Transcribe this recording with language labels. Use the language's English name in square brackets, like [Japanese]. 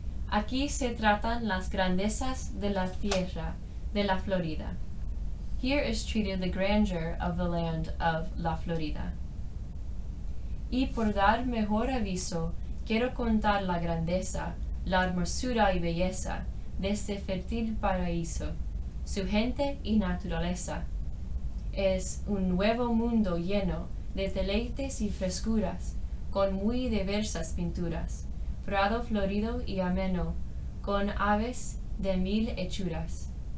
[Spanish] Aquí se tratan las grandezas de la tierra de la Florida. [English] Here is treated the grandeur of the land of la Florida. [Spanish] Y por dar mejor aviso, quiero contar la grandeza, la hermosura y belleza de este fértil paraíso, su gente y naturaleza. Es un nuevo mundo lleno de deleites y frescuras, con muy diversas pinturas, prado florido y ameno, con aves de mil hechuras.